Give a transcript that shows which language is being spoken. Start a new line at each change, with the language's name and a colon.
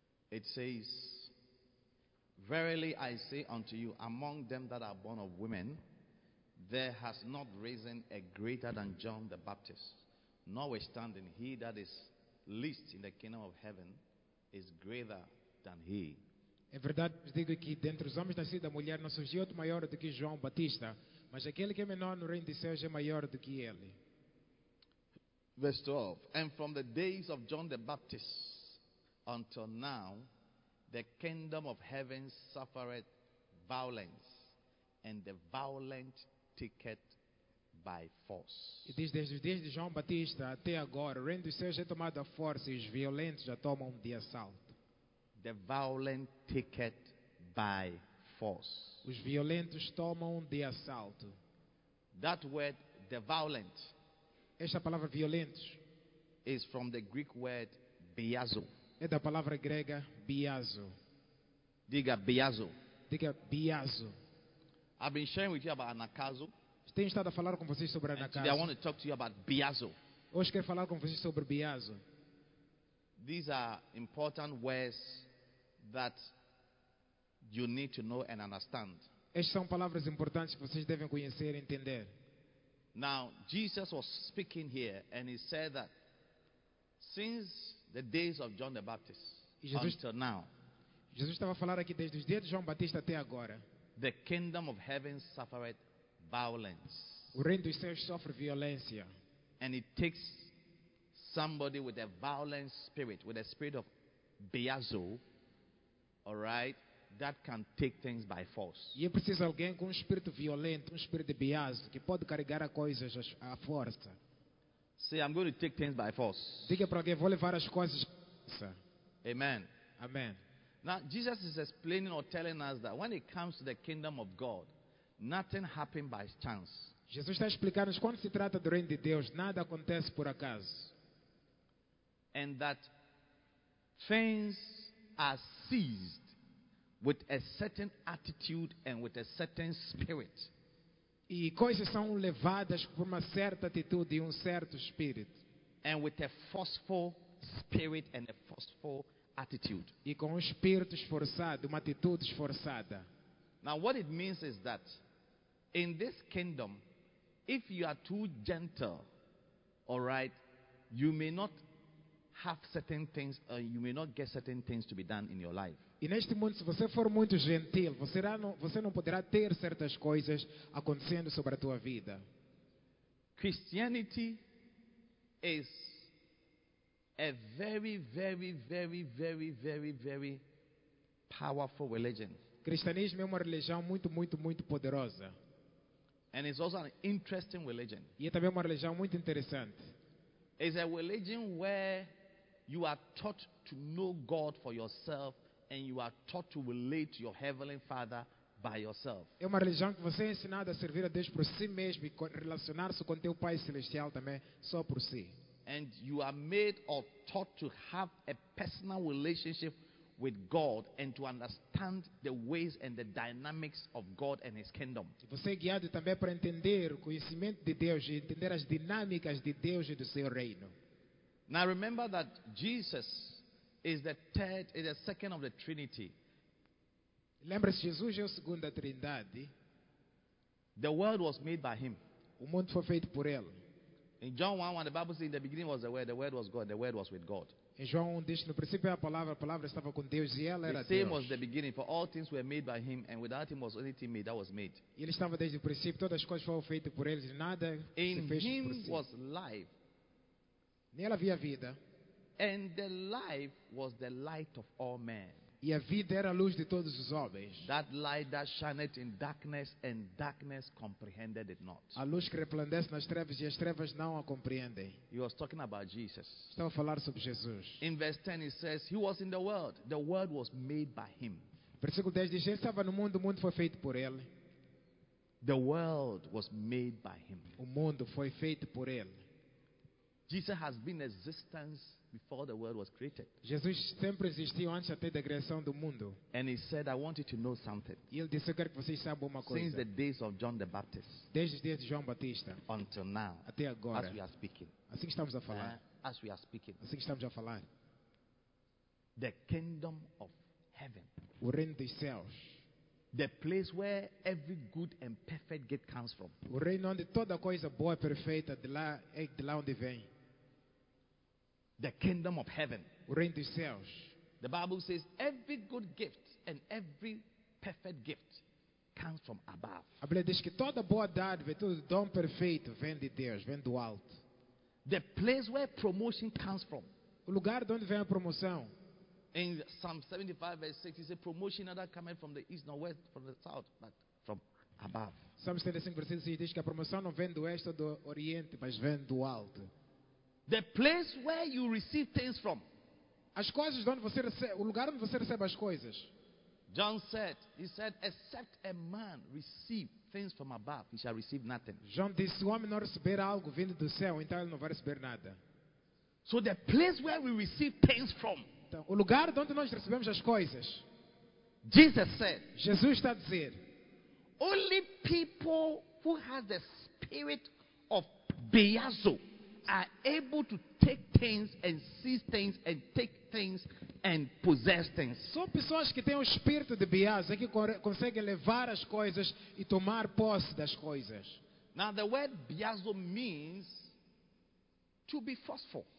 English: It says, "Verily I say unto you, among them that are born of women, there has not risen a greater than John the Baptist, notwithstanding he that is least in the kingdom of heaven is greater than he."
Portuguese: É verdade, vos digo que dentre os homens nascidos da mulher não surgiu outro maior do que João Batista, mas aquele que é menor no reino de céus é maior do que ele.
English: Verse 12. "And from the days of John the Baptist until now, the kingdom of heaven suffered violence, and the violent take it by force."
Portuguese: E diz, desde João Batista até agora, o reino dos céus é tomado à força e os violentos já tomam de assalto.
English: The violent take it by force.
Portuguese: Os violentos tomam de assalto.
English: That word, the violent,
Portuguese: esta palavra violentos,
English: is from the Greek word biazo.
Portuguese: É da palavra grega biazo. Diga biazo. Diga biazo.
English: I've been sharing with you about anakazo.
Portuguese: Tenho estado a falar com vocês sobre anakazo.
English: I want to talk to you about biazo.
Portuguese: Hoje quero falar com vocês sobre biazo.
English: These are important words that you need to know and understand.
Portuguese: Estas são palavras importantes que vocês devem conhecer e entender.
English: Now, Jesus was speaking here and he said that since the days of John the Baptist until now,
Portuguese: Jesus estava a falar aqui desde os dias de João Batista até agora,
English: the kingdom of heaven suffered violence.
Portuguese: O reino dos céus sofre violência.
English: And it takes somebody with a violent spirit, with a spirit of biazo, all right, that can take things by force.
Portuguese: E é preciso alguém com um espírito violento, um espírito de biazo, que pode carregar as coisas à força.
English: Say, "I'm going to take things by force."
Portuguese: Diga para alguém, vou levar as coisas. Sir.
English: Amen.
Portuguese: Amen.
English: Now, Jesus is explaining or telling us that when it comes to the kingdom of God, nothing happens by chance.
Portuguese: Jesus está explicando que quando se trata do reino de Deus, nada acontece por acaso.
English: And that things are seized with a certain attitude and with a certain spirit.
Portuguese: E coisas são levadas por uma certa atitude e certo espírito.
English: And with a forceful spirit and a forceful attitude.
Portuguese: E com espírito esforçado, uma atitude esforçada.
English: Now what it means is that in this kingdom, if you are too gentle, all right, you may not have certain things, or you may not get certain things to be done in your life.
Portuguese: E neste mundo, se você for muito gentil, você não poderá ter certas coisas acontecendo sobre a tua vida.
English: Christianity is a very, very, very, very, very, very powerful religion.
Portuguese: Cristianismo é uma religião muito, muito, muito poderosa.
English: And it's also an interesting religion.
Portuguese: E é também uma religião muito interessante.
English: It's a religion where you are taught to know God for yourself and you are taught to relate to your heavenly Father by yourself.
Portuguese: É uma religião que você é ensinado a servir a Deus por si mesmo e relacionar-se com teu Pai Celestial também só por si.
English: And you are made or taught to have a personal relationship with God and to understand the ways and the dynamics of God and His kingdom.
Portuguese: Você é guiado também para entender o conhecimento de Deus e entender as dinâmicas de Deus e do seu reino.
English: Now remember that Jesus is the third, is the second of the Trinity.
Portuguese: Lembra-se, Jesus é o segundo da Trindade.
English: The world was made by Him.
Portuguese: O mundo foi feito por Ele.
English: In John 1:1, the Bible says, "In the beginning was the Word was God, the Word was with God."
Portuguese: Em João 1 diz, no princípio a palavra estava com Deus e ela era
English: the same
Portuguese: Deus.
English: Was the beginning, for all things were made by Him, and without Him was anything made that was made.
Portuguese: E ele estava desde o princípio, todas as coisas foram feitas por Ele e nada
English: in
Portuguese: se fez
English: him
Portuguese: por si.
English: Was life.
Portuguese: Nela havia vida.
English: And the life was the light of all men.
Portuguese: E a vida era a luz de todos os homens.
English: That light that shineth in darkness, and darkness comprehended it not.
Portuguese: A luz que resplandece nas trevas e as trevas não a compreendem.
English: He was talking about Jesus.
Portuguese: Estava a falar sobre Jesus.
English: In verse 10 it says, he was in the world. The world was made by him.
Portuguese: Versículo 10 diz, ele estava no mundo, o mundo foi feito por ele.
English: The world was made by him.
Portuguese: O mundo foi feito por ele.
English: Jesus has been existence before the world was created.
Portuguese: Jesus sempre existiu antes até da criação do mundo.
English: And he said, I want you to know something.
Portuguese: E ele disse, eu quero que vocês saibam uma coisa.
English: Since the days of John the Baptist.
Portuguese: Desde os dias de João Batista.
English: Until now.
Portuguese: Até agora.
English: As we are speaking.
Portuguese: Assim que estamos a falar.
English: As we are speaking.
Portuguese: Assim que estamos a falar.
English: The kingdom of heaven.
Portuguese: O reino dos céus.
English: The place where every good and perfect gift comes from.
Portuguese: O reino onde toda coisa boa e perfeita de lá onde vem.
English: The kingdom of heaven.
Portuguese: O reino dos céus.
English: The Bible says every good gift and every perfect gift comes from above.
Portuguese: A Bíblia diz que toda boa dádiva, todo dom perfeito vem de Deus, vem do alto.
English: The place where promotion comes from.
Portuguese: O lugar de onde vem a promoção.
English: In Psalm 75 verse 6, he said, promotion not coming from the east nor west, from the south, but from above. Psalm 75 verse 6
Portuguese: diz que a promoção não vem do oeste ou do oriente, mas vem do alto.
English: The place where you receive things from.
Portuguese: As coisas de onde você recebe, o lugar onde você recebe as coisas.
English: John said, he said, except a man receive things from above, he shall receive nothing.
Portuguese: John disse, se o homem não receber algo vindo do céu, então ele não vai receber nada.
English: So the place where we receive things from.
Portuguese: Então, o lugar de onde nós recebemos as coisas.
English: Jesus said,
Portuguese: Jesus está a dizer,
English: only people who have the spirit of Beazo are able to take things and seize things and take things and possess things.
Portuguese: Só pessoas que têm o espírito de Beazo é que conseguem levar as coisas e tomar posse das coisas.
English: Now the word Beazo means to be forceful.